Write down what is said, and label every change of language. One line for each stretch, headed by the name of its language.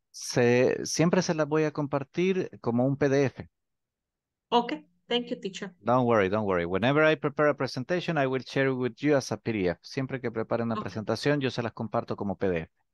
Spanish: Siempre se la voy a compartir como un PDF.
English: Okay. Thank you, teacher. Don't worry, don't worry. Whenever I prepare a presentation, I will share it with you as a PDF.
Spanish: Siempre que preparen una presentación, yo se las comparto como PDF.